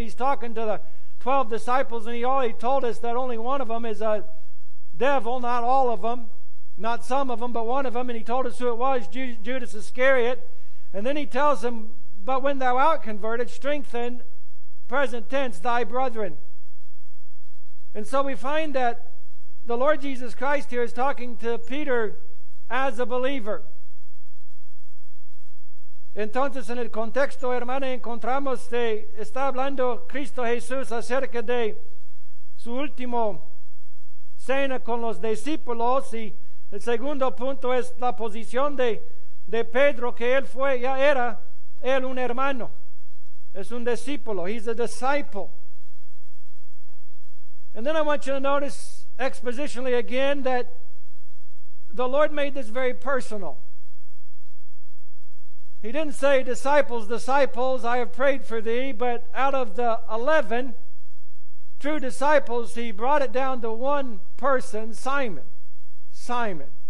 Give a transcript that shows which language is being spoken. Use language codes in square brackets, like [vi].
[en] He's talking to the 12 disciples, and he already told us that only one of them is a devil, not all of them, not some of them, but one of them, and he told us who it was, Judas Iscariot. And then he tells him, but when thou art converted, strengthen, present tense, thy brethren. And so we find that the Lord Jesus Christ here is talking to Peter as a believer. [es] Entonces, en el contexto, hermano, encontramos que está hablando Cristo Jesús acerca de su último cena con los discípulos, y el segundo punto es la posición de Pedro, que él fue, ya era él un hermano, es un discípulo, [en] he's a disciple. And then I want you to notice expositionally again that the Lord made this very personal. He didn't say, disciples, disciples, I have prayed for thee, but out of the 11 true disciples, he brought it down to one person, Simon. Simon.